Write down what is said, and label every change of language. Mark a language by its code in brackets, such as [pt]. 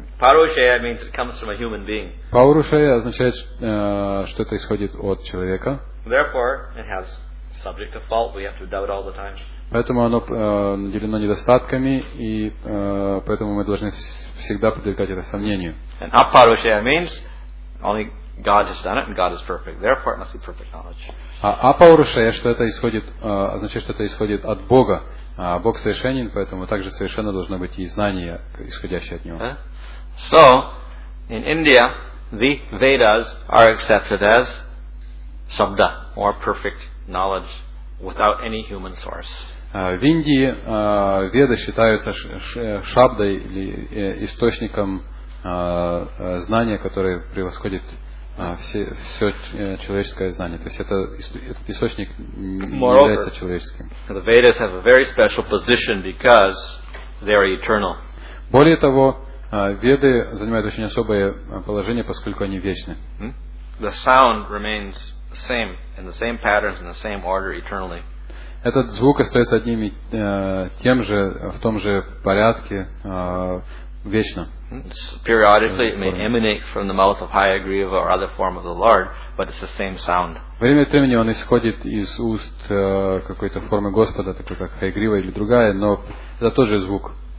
[en] Apaurusheya means it comes from a human being. [ru] Apaurusheya означает, что это исходит от человека. [en] Therefore, it has subject to fault. We have to doubt all the time. [ru] Поэтому оно наделено недостатками, и поэтому мы должны всегда подвергать это сомнению. [en] And apaurusheya means only God has done it, and God is perfect. Therefore, it must be perfect knowledge. [ru] Апаурушея, что это исходит, означает, что это исходит от Бога. Бог совершенен, поэтому также совершенно должно быть и знание, исходящее от Него. [en] So, in India, the Vedas are accepted as sabda, or perfect knowledge, without any human source. [ru] В Индии Веды считаются шабдой или источником знания, которое превосходит все человеческое знание. То есть этот источник не является человеческим. [en] The Vedas have a very special position because they are eternal. [ru] Более того, Веды занимают очень особое положение, поскольку они вечны. [en] The sound remains the same in the same patterns in the same order eternally. [ru] Этот звук остается одним и тем же в том же порядке вечно. [en] Periodically it may emanate from the mouth of Haya Griva or other form of the Lord, but it's the same sound. [ru] Время от времени он исходит из уст какой-то формы Господа, такой как Хая Грива или другая, но это тоже звук.